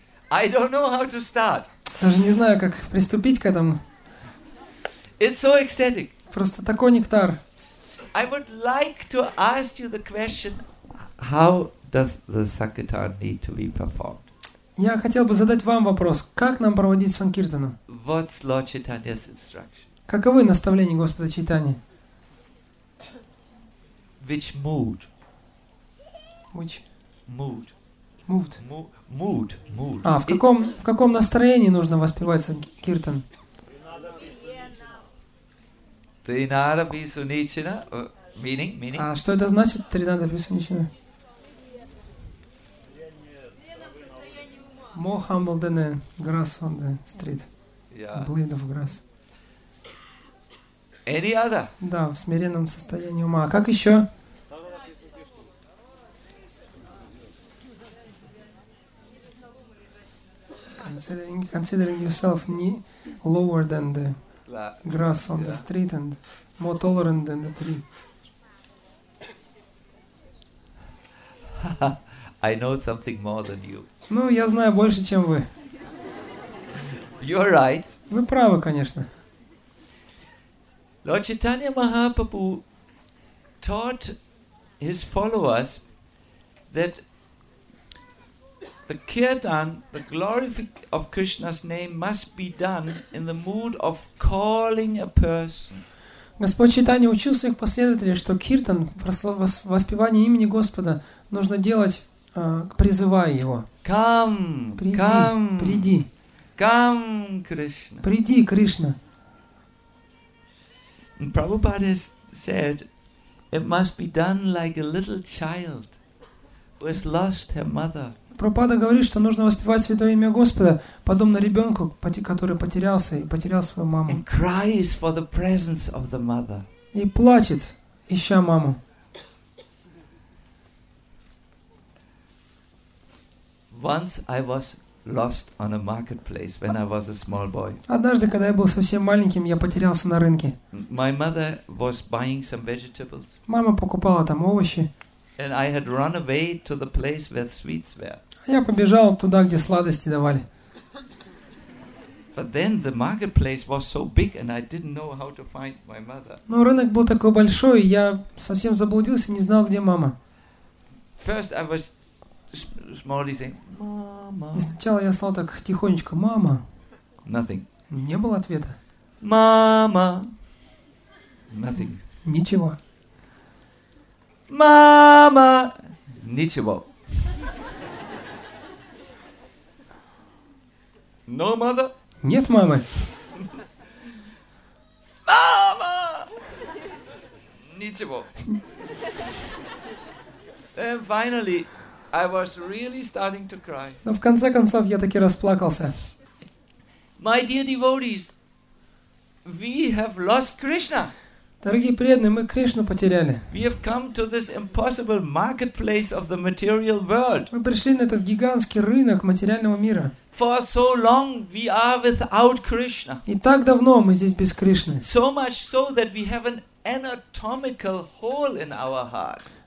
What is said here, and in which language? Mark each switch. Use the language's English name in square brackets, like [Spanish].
[English] I don't know how to start. [Russian] Даже не знаю, как приступить к этому. [English] It's so ecstatic. [Russian] Просто такой нектар. [English] I would like to ask you the question, how does the sankirtan need to be performed? [Russian] Я хотел бы задать вам вопрос, как нам проводить санкиртану? [English] What's Lord Chaitanya's instruction? [Russian] Каковы наставления Господа Чайтаньи? [English] Which mood? Which? Mood. Mood. Mood. Mood. [Russian] А, в каком настроении нужно воспевать санкиртан? [Sanskrit] Тринада Бисуничина, [English] meaning? [Russian] А что это значит, Тринада Бисуничина? [English] More humble than the grass on the street. Yeah. Blade of grass. Any other? [Russian] Да, в смиренном состоянии ума. А как еще? [English] Considering yourself lower than the grass on the street and more tolerant than the tree. I know something more than you. [Russian] Ну, я знаю больше, чем вы. [English] You're right. [Russian] Вы правы, конечно. [English] Lord Chaitanya Mahaprabhu taught his followers that the kirtan, the glorification of Krishna's name, must be done in the mood of calling a person. [Russian] Господь Чайтанья учил своих последователей, что киртан, воспевание имени Господа, нужно делать призывай его. [English] Come, [Russian] приди, [English] come, [Russian] приди. [English] Come, Krishna. [Russian] Приди, Кришна. [English] Prabhupada said, it must be done like a little child who has lost her mother. [Russian] Прабхупада говорит, что нужно воспевать святое имя Господа, подобно ребенку, который потерялся и потерял свою маму. [English] And cries for the presence of the mother. [Russian] И плачет, ища маму. [English] Once I was lost on a marketplace when I was a small boy. [Russian] Однажды, когда я был совсем маленьким, я потерялся на рынке. [English] My mother was buying some vegetables. [Russian] Мама покупала там овощи. [English] And I had run away to the place where sweets were. [Russian] Я побежал туда, где сладости давали. [English] But then the marketplace was so big and I didn't know how to find my mother. [Russian] Но рынок был такой большой, я совсем заблудился, не знал, где мама. [English] First I was small thing. [Russian] Мама. И сначала я стал так тихонечко. Мама. [English] Nothing. [Russian] Не было ответа. Мама. [English] Nothing. [Russian] Ничего. Мама. Ничего. [English] No mother. [Russian] Нет мамы. Мама. Ничего. [English] And finally, I was really starting to cry. [Russian] Но в конце концов я таки расплакался. [English] My dear devotees, we have lost Krishna. [Russian] Дорогие преданные, мы Кришну потеряли. [English] We have come to this impossible marketplace of the material world. [Russian] Мы пришли на этот гигантский рынок материального мира. [English] For so long we are without Krishna. [Russian] И так давно мы здесь без Кришны. [English] So much so that we have an anatomical hole in our heart.